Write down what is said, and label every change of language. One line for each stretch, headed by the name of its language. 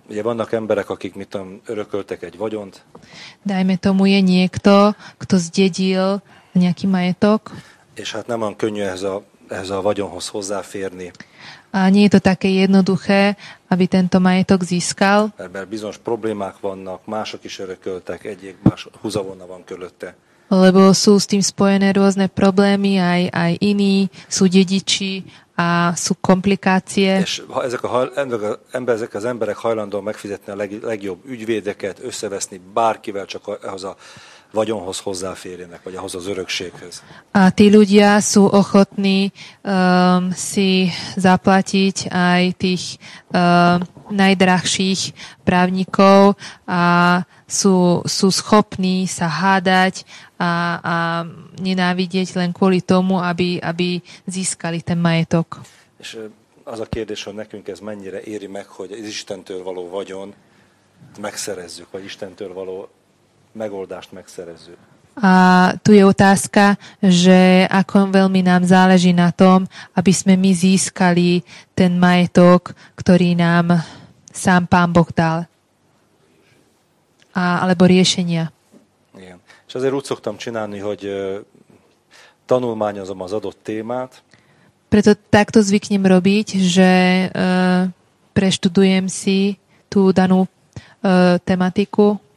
Hungarian: Ugye vannak emberek, akik mit tudom, örököltek egy vagyont.
Slovak: Dajme tomu je niekto, kto zdedil nejaký majetok.
Hungarian: És hát nem olyan könnyű ehhez a vagyonhoz hozzáférni.
Slovak: A nie je to také jednoduché, aby tento majetok získal.
Hungarian: Mert bizonyos problémák vannak, mások is örököltek, egyik más húzavona van körülötte.
Slovak: Lebo sú s tým spojené rôzne problémy, aj iní, sú dediči a sú komplikácie.
Hungarian: És ezek az emberek hajlandó megfizetni a legjobb ügyvédeket, összeveszni bárkivel, csak ahhoz a vagyonhoz hozzáférjenek, vagy ahhoz az örökséghez.
Slovak: A tí ľudia sú ochotní si zaplatiť aj tých najdrahších právnikov a sú schopní sa hádať a nenávidieť len kvôli tomu, aby získali ten majetok.
Hungarian: És az a kérdés, hogy nekünk ez mennyire éri meg, hogy az Istentől való vagyon megszerezzük, vagy Istentől való megoldást megszerezzük.
Slovak: A tu je otázka, že ako veľmi nám záleží na tom, aby sme my získali ten majetok, ktorý nám sám Pán Boh dal. Alebo riešenia.
Hungarian: Igen. És azért úgy szoktam csinálni, hogy tanulmányozom az adott témát.
Slovak: Preto takto zvyknem robiť, že preštudujem si tú danú tematiku.